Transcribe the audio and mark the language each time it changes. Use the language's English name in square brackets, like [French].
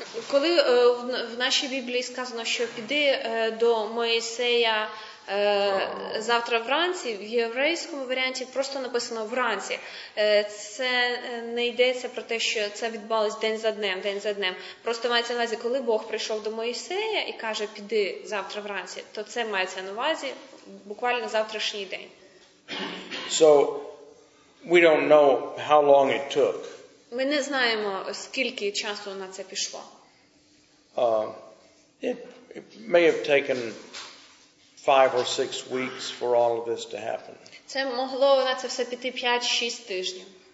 [Ukrainian] Коли в нашій Біблії сказано, що піди до Моїсея завтра вранці, в єврейському варіанті просто написано вранці. Це не йдеться про те, що це відбувалось день за днем, день за днем. Просто мається на увазі, коли Бог прийшов до Моїсея і каже, піди завтра вранці, то це мається на увазі буквально завтрашній день. [English] So, we don't know how long it took. [Ukrainian] Ми не знаємо, скільки часу на це пішло. [English] It may have taken 5 or 6 weeks for all of this to happen. [Ukrainian] Це могло на це все піти 5-6 тижнів.